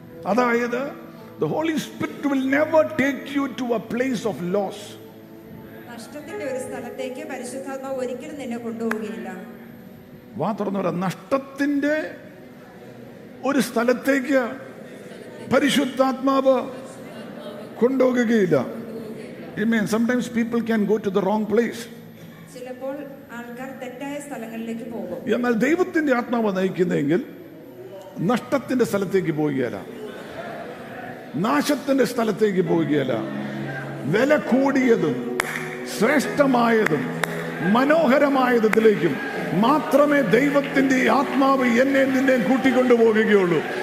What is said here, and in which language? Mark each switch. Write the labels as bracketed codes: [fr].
[en] അതായത് the Holy Spirit will never take you to a place of loss. [ml] നഷ്ടത്തിന്റെ ഒരു സ്ഥലത്തേക്ക് പരിശുദ്ധാത്മാവ് ഒരിക്കലും നിന്നെ കൊണ്ടുപോകില്ല. വാതുറന്നവരെ, നഷ്ടത്തിന്റെ ഒരു സ്ഥലത്തേക്ക് പരിശുദ്ധാത്മാവ് കൊണ്ടുപോകുകയില്ല. [en] Amen. Sometimes people can go to the wrong place. [ml] ചിലപ്പോൾ ആൾക്കാർ തെറ്റായ സ്ഥലങ്ങളിലേക്ക് പോകും. എന്നാൽ ദൈവത്തിന്റെ ആത്മാവ് നയിക്കുന്നെങ്കിൽ നഷ്ടത്തിന്റെ സ്ഥലത്തേക്ക് പോകുകയില്ല, നാശത്തിന്റെ സ്ഥലത്തേക്ക് പോകുകയില്ല. വില കൂടിയതും ശ്രേഷ്ഠമായതും മനോഹരമായതിലേക്കും മാത്രമേ ദൈവത്തിന്റെ ആത്മാവ് എന്നെ നിന്നെയും കൂട്ടിക്കൊണ്ടുപോകുകയുള്ളൂ.